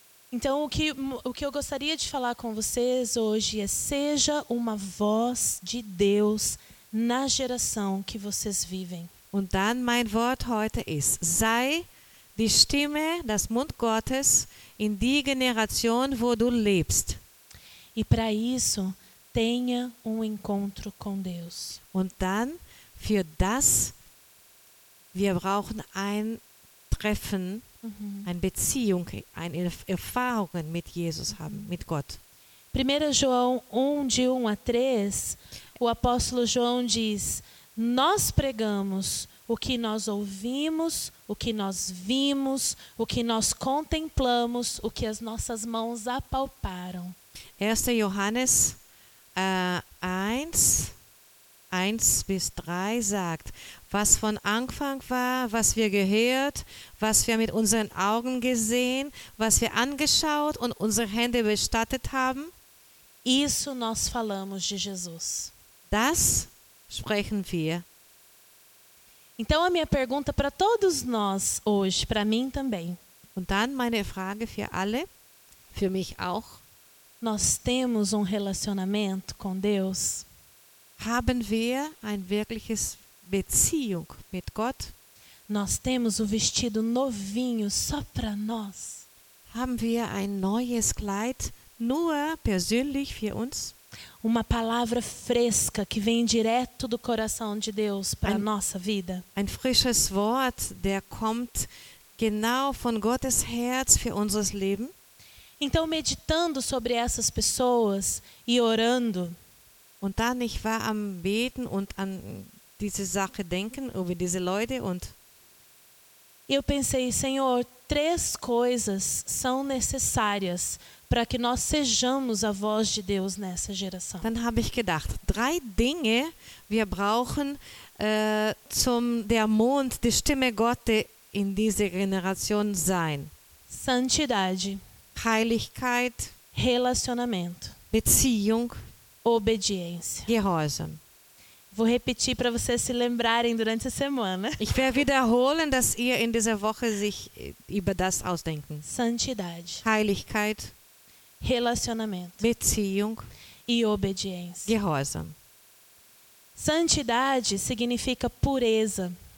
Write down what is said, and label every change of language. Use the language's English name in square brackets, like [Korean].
[Portuguese] Então o que eu gostaria de falar com vocês hoje é: seja uma voz de Deus na geração que vocês vivem. [German] Und dann mein Wort heute ist: sei die Stimme, das Mund Gottes in die Generation, wo du lebst. [Portuguese] E para isso, tenha encontro com Deus. [German] Und dann für das wir brauchen ein Treffen, eine Beziehung, eine Erfahrung mit Jesus haben, mit Gott. 1. [Portuguese] João 1:1-3, o apóstolo João diz: nós pregamos o que nós ouvimos, o que nós vimos, o que nós contemplamos, o que as nossas mãos apalparam. 1. [German] Johannes 1:1-3 sagt: was von Anfang war, was wir gehört, was wir mit unseren Augen gesehen, was wir angeschaut und unsere Hände bestattet haben. [Portuguese] Isso nós falamos de Jesus. [German] Das sprechen wir. [Portuguese] Então a minha pergunta para todos nós hoje, para mim também. [German] Und dann meine Frage für alle, für mich auch. [Portuguese] Nós temos relacionamento com Deus? [German] Haben wir ein wirkliches Beziehung mit Gott? [Portuguese] Nós temos vestido novinho só para nós? [German] Haben wir ein neues Kleid nur persönlich für uns? [Portuguese] Uma palavra fresca que vem direto do coração de Deus para nossa vida? [German] Ein frisches Wort, der kommt genau von Gottes Herz für unser Leben? [Portuguese] Então, meditando sobre essas pessoas e orando. [German] Und dann ich war am Beten und an diese Sache denken, über diese Leute und. [Portuguese] Eu pensei: Senhor, três coisas são necessárias para que nós sejamos a voz de Deus nessa geração. [German] Dann habe ich gedacht, drei Dinge wir brauchen zum der Mund, die Stimme Gottes in dieser Generation sein. [Portuguese] Santidade. [German] Heiligkeit. [Portuguese] Relacionamento. [German] Beziehung. [Portuguese] Obediência. [German] Gehorsam. [Portuguese] Vou repetir para vocês se lembrarem durante a semana. [German] Ich werde wiederholen, dass ihr in dieser Woche sich über das ausdenken. [Portuguese] Santidade. [German] Heiligkeit. [Portuguese] Relacionamento. [German] Beziehung. [Portuguese] E obediência. [German] Gehorsam. [Portuguese] Santidade significa pureza.